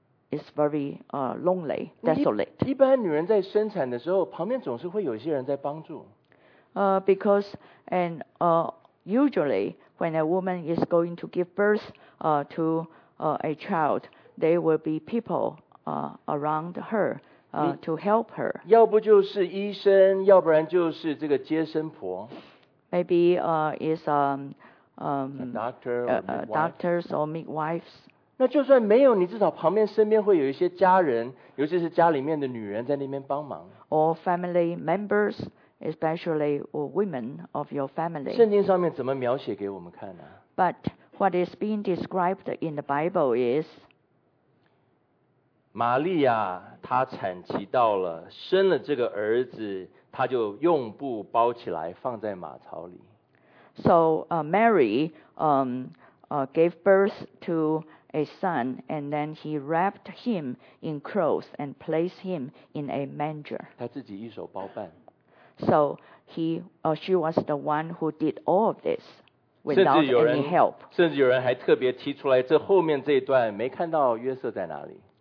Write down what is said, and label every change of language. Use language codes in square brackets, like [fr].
[en] is very lonely, desolate. [zh] 一般女人在生产的时候，旁边总是会有些人在帮助。 [en] Because and usually when a woman is going to give birth to a child, there will be people around her to help her. [zh] 要不就是医生，要不然就是这个接生婆。 [en] Maybe is doctors or midwives. [zh] 那就算没有，你至少旁边身边会有一些家人，尤其是家里面的女人在那边帮忙。 [en] Or family members, especially women of your family. [zh] 圣经上面怎么描写给我们看呢？ [en] But what is being described in the Bible is [zh] 玛利亚她产期到了，生了这个儿子，她就用布包起来，放在马槽里。 [en] So Mary gave birth to a son, and then he wrapped him in clothes and placed him in a manger. [zh] 他自己一手包办。 [en] So she was the one who did all of this without any help. [zh] 甚至有人还特别提出来，这后面这一段没看到约瑟在哪里。